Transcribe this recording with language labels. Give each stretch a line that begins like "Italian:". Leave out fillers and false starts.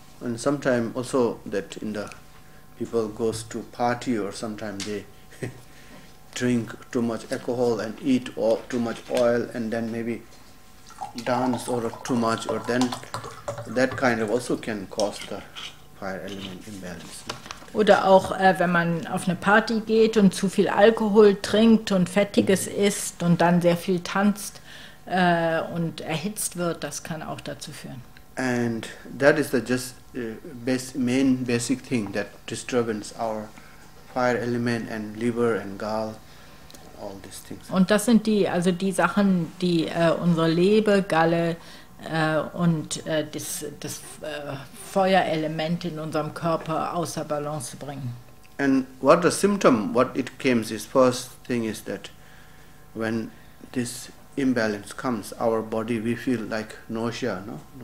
English: And sometimes also that in the people goes to party or sometimes they drink too much alcohol and eat or too much oil and then maybe dance or too much or then that kind of also can cause the fire element imbalance.
German: Oder auch wenn man auf eine Party geht und zu viel Alkohol trinkt und Fettiges isst und dann sehr viel tanzt und erhitzt wird, das kann auch dazu führen.
English: And that is the just main basic thing that disturbs our fire element and liver and gall all these things.
German: Und das sind die, also die Sachen, die unsere Leber, Galle und das Feuerelement in unserem Körper außer Balance bringen.
English: And what the symptom, what it comes is, first thing is that when this imbalance comes, our body, we feel like nausea, no?